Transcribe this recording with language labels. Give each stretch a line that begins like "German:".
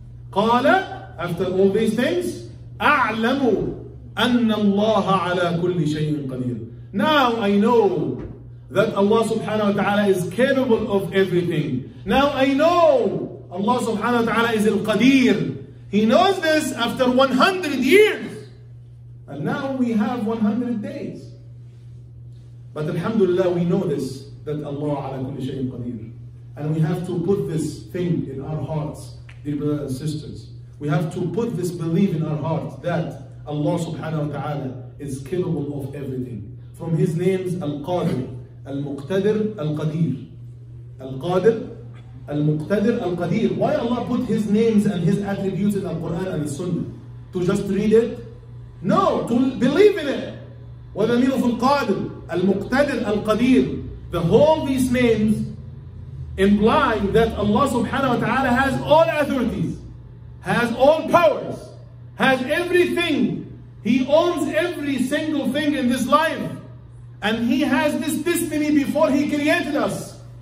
Arabic: Qala,
English: after all these things,
Arabic: أَعْلَمُ أَنَّ اللَّهَ عَلَى كُلِّ شَيْءٍ قَدِيرٍ.
English: Now I know that Allah subhanahu wa ta'ala is capable of everything. Now I know Allah subhanahu wa ta'ala is al-qadir. He knows this after 100 years. And now we have 100 days. But alhamdulillah, we know this, that Allah
Arabic: عَلَى كُلِّ شَيْءٍ قَدِيرٍ.
English: And we have to put this thing in our hearts, dear brothers and sisters. We have to put this belief in our hearts that Allah subhanahu wa ta'ala is capable of everything. From His names, Al-Qadir, Al-Muqtadir, Al-Qadir. Al-Qadir, Al-Muqtadir Al-Qadir. Why Allah put His names and His attributes in Al-Quran and Sunnah? To just read it? No, to believe in it.
Arabic: وَذَمِيرُ فِي الْقَادِرِ Al-Muqtadir Al-Qadir.
English: The whole these names imply that Allah subhanahu wa ta'ala has all authorities, has all powers, has everything. He owns every single thing in this life. And He has this destiny before He created us.